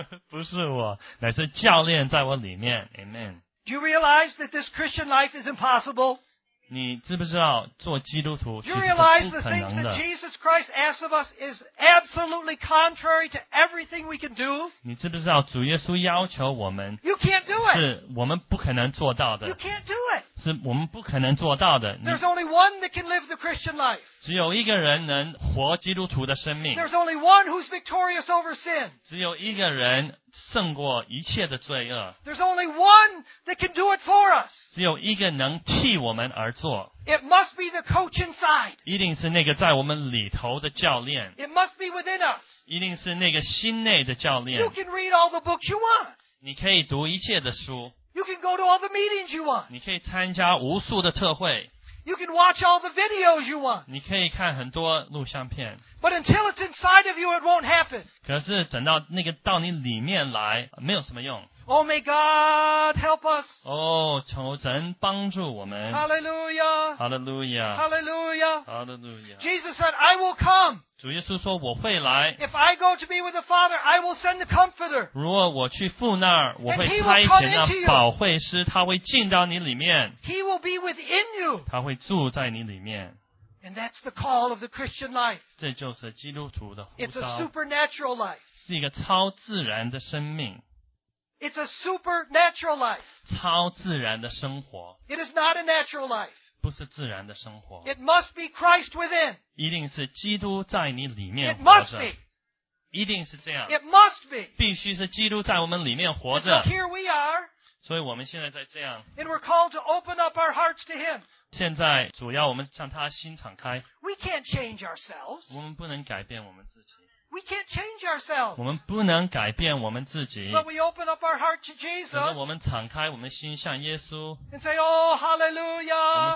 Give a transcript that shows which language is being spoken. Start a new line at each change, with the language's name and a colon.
Chinese: 不是我，乃是教练在我里面。
English: Amen. Do you realize that this Christian life is impossible?
Chinese: 你知不知道做基督徒其实是不可能
English: 的? Do you realize the things that Jesus Christ asks of us is absolutely contrary to everything we can do?
Chinese: 你知不知道主耶稣要求我们,
English: You can't do it.
Chinese: 是我们不可能做到的。
English: You can't do it.
Chinese: 是我们不可能做到的。
English: There's only one that can live the Christian life.
Chinese: 只有一个人能活基督徒的生命。
English: There's only one who's victorious over sin.
Chinese: 只有一个人胜过一切的罪恶。
English: There's only one that can do it for us.
Chinese: 只有一个能替我们而做。
English: It must be the coach inside.
Chinese: 一定是那个在我们里头的教练。
English: It must be within us.
Chinese: 一定是那个心内的教练。
English: You can read all the books you want.
Chinese: 你可以读一切的书。
English: You can go to all the meetings you want.
Chinese: 你可以参加无数的特会。
English: You can watch all the videos you want.
Chinese: 你可以看很多录像片。
English: But until it's inside of you, it won't happen.
Chinese: 可是等到那个到你里面来，没有什么用。
English: Oh, may God help us.
Chinese: 哦，求神帮助我们。
English: Hallelujah. Hallelujah. Hallelujah. Hallelujah. Jesus said, I will come.
Chinese: 主耶稣说我会来。
English: If I go to be with the Father, I will send the Comforter.
Chinese: 如果我去父那儿，我会差遣那保惠师，他会进到你里面。
English: He will be within you.
Chinese: 他会住在你里面。
English: And that's the call of the Christian life.
Chinese: 这就是基督徒的呼召。
English: It's a supernatural life.
Chinese: 是一个超自然的生命。
English: It's a supernatural life.
Chinese: 超自然的生活。
English: It is not a natural life.
Chinese: 不是自然的生活。
English: It must be Christ within.
Chinese: 一定是基督在你里面活着。
English: It must be.
Chinese: 一定是这样。
English: It must be.
Chinese: 必须是基督在我们里面活着。
English: And so here we are.
Chinese: 所以我们现在在这样。
English: And we're called to open up our hearts to Him.
Chinese: 现在主要我们向他心敞开。
English: We can't change ourselves.
Chinese: 我们不能改变我们自己。
English: We can't change ourselves.
Chinese: 我们不能改变我们自己。
English: But we open up our heart to Jesus.
Chinese: 可是我们敞开我们心向耶稣。
English: And say, Oh, hallelujah.